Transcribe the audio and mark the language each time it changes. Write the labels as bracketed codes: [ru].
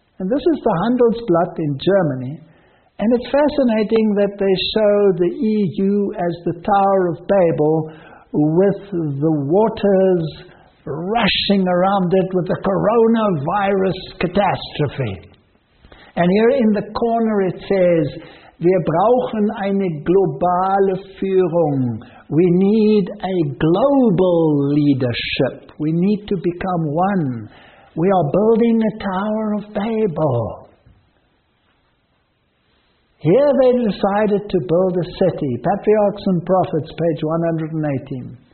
[en] And this is the Handelsblatt in Germany, and it's fascinating that they show the EU as the Tower of Babel with the waters rushing around it with the coronavirus catastrophe. And here in the corner it says, [de] wir brauchen eine globale Führung. [en] We need a global leadership. We need to become one. We are building a Tower of Babel. Here they decided to build a city. Patriarchs and Prophets, page 118.